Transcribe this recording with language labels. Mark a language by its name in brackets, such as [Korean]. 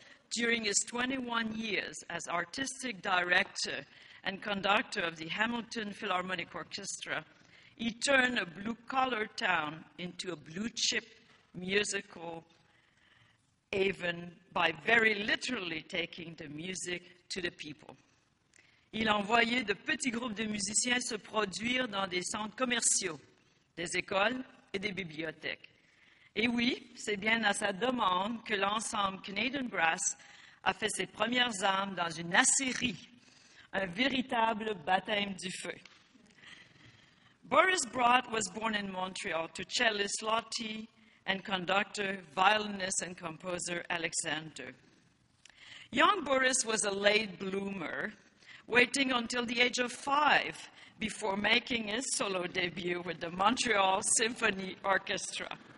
[English] During his 21 years as artistic director and conductor of the Hamilton Philharmonic Orchestra, he turned a blue-collar town into a blue-chip musical haven by very literally taking the music to the people. [French] Il envoyait de petits groupes de musiciens se produire dans des centres commerciaux, des écoles et des bibliothèques. Et oui, c'est bien à sa demande que l'ensemble Canadian Brass a fait ses premières armes dans une acérie, un véritable baptême du feu. [English] Boris Broad was born in Montreal to cellist Lottie and conductor, violinist and composer Alexander. Young Boris was a late bloomer, waiting until the age of 5 before making his solo debut with the Montreal Symphony Orchestra.